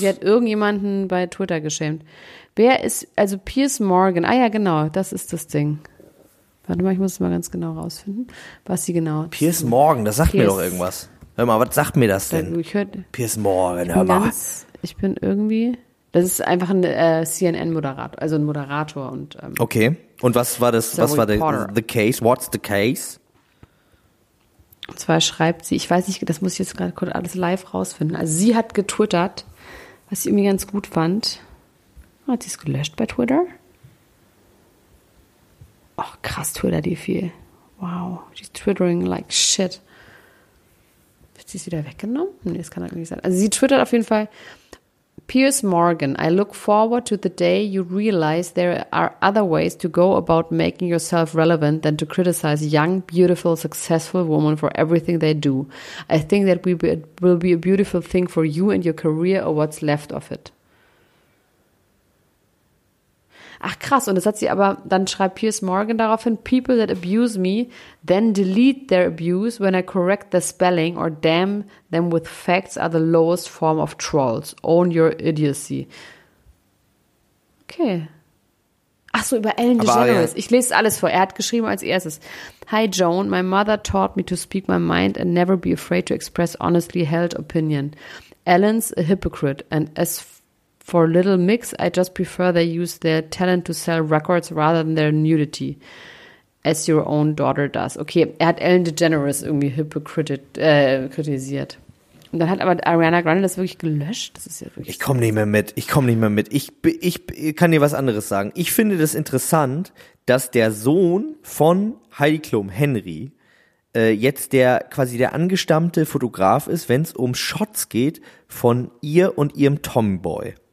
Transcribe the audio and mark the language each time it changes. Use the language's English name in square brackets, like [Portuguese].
[German] Sie hat irgendjemanden bei Twitter geschämt. Wer ist, also Piers Morgan, ja genau, das ist das Ding. Warte mal, ich muss es mal ganz genau rausfinden, was sie genau... Piers Morgan, das sagt mir doch irgendwas. Hör mal, was sagt mir das denn? Piers Morgan, hör mal. Ich bin irgendwie, das ist einfach ein CNN-Moderator, also ein Moderator. Und okay, und was war das, was war the case, what's the case? Und zwar schreibt sie, ich weiß nicht, das muss ich jetzt gerade kurz alles live rausfinden. Also sie hat getwittert, was sie irgendwie ganz gut fand. Hat sie es gelöscht bei Twitter? Ach, krass, twittert die viel. [English] Wow, she's twittering like shit. [German] Wird sie es wieder weggenommen? Nee, das kann doch nicht sein. Also sie twittert auf jeden Fall, [English] Piers Morgan, I look forward to the day you realize there are other ways to go about making yourself relevant than to criticize young, beautiful, successful women for everything they do. I think that will be a beautiful thing for you and your career or what's left of it. [German] Ach krass, und das hat sie aber, dann schreibt Piers Morgan daraufhin, [English] people that abuse me then delete their abuse when I correct the spelling or damn them with facts are the lowest form of trolls. Own your idiocy. Okay. [German] Ach so, über Ellen DeGeneres. Ich lese alles vor. Er hat geschrieben als erstes. [English] Hi Joan, my mother taught me to speak my mind and never be afraid to express honestly held opinion. Ellen's a hypocrite and as for Little Mix, I just prefer they use their talent to sell records rather than their nudity, as your own daughter does. [German] Okay, er hat Ellen DeGeneres irgendwie kritisiert. Und dann hat aber Ariana Grande das wirklich gelöscht. Das ist ja wirklich. Ich komme nicht mehr mit. Ich kann dir was anderes sagen. Ich finde das interessant, dass der Sohn von Heidi Klum, Henry, jetzt der angestammte Fotograf ist, wenn es um Shots geht von ihr und ihrem Tomboy.